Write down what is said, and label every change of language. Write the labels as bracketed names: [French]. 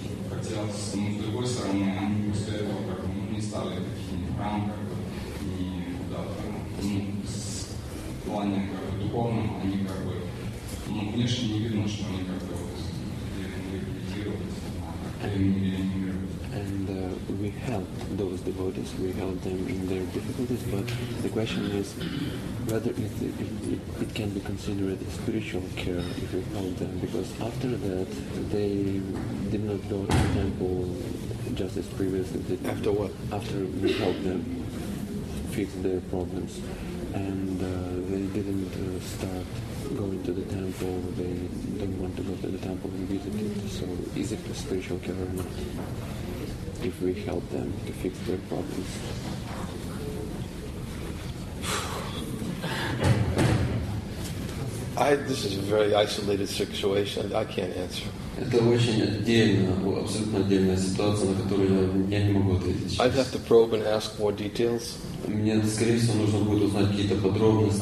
[Russian] Хотя, ну, с другой стороны, они после этого как бы не стали такими рамками и куда-то. Ну, в плане как бы духовном они как бы, ну, внешне не видно, что они как бы реабилитировались. [English] And we helped those devotees, we helped them in their difficulties, but the question is whether it can be considered a spiritual care if we help them, because after that they did not go to the temple just as previously. After what? After we helped them fix their problems. And they didn't start going to the temple, they don't want to go to the temple and visit it, so is it a spiritual care or not? If we help them to fix their problems. This is a very isolated situation. I can't answer. [Russian] Это очень отдельная, абсолютно отдельная ситуация, на которую я не могу ответить. [English] I'd have to probe and ask more details. [Russian] Мне, скорее всего, нужно будет узнать какие-то подробности.